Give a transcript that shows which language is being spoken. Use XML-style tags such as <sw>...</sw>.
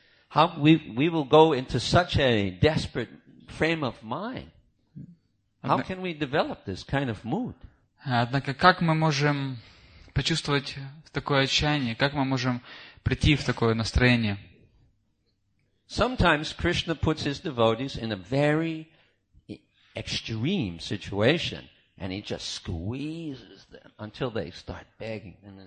<en>How we will go into such a desperate frame of mind? How can we develop this kind of mood?</en> <ru>Однако, как мы можем почувствовать такое отчаяние? Как мы можем прийти в такое настроение?</ru> <en>Sometimes Krishna puts his devotees in a very extreme situation, and he just squeezes them until they start begging.</en>